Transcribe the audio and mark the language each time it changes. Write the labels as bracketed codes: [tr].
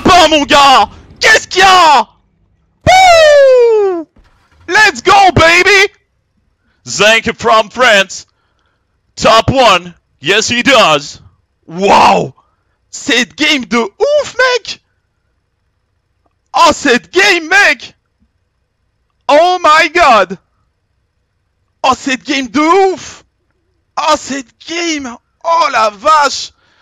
[fr] Mon gars, qu'est-ce qu'il y a? [en] Pouh! Let's go, baby! Zank from France, top one. Yes, he does. [fr] Wow, cette game de ouf, mec! Oh, cette game, mec! [en] Oh my god! [fr] Oh, cette game de ouf! Oh, cette game! Oh la vache!